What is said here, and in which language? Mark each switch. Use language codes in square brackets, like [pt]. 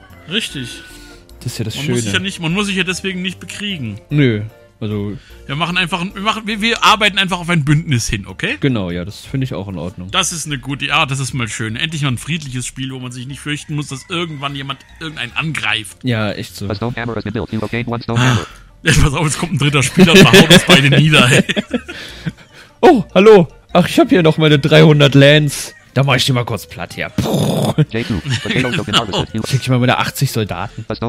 [de] Richtig. Das ist ja das man Schöne. Muss sich ja nicht, man muss sich ja deswegen nicht bekriegen. Nö. Also. Wir machen einfach. Wir arbeiten einfach auf ein Bündnis hin, okay? Genau, ja, das finde ich auch in Ordnung. Das ist eine gute. Ja, das ist mal schön. Endlich mal ein friedliches Spiel, wo man sich nicht fürchten muss, dass irgendwann jemand irgendeinen angreift. Ja, echt so. [en] A stone hammer has been built. You gained one stone hammer. [de] Pass auf, jetzt kommt ein dritter Spieler und haut uns beide nieder, ey. Oh, hallo. Ach, ich habe hier noch meine 300 Lands. Da mach ich die mal kurz platt hier. Schick ich mal meine 80 Soldaten.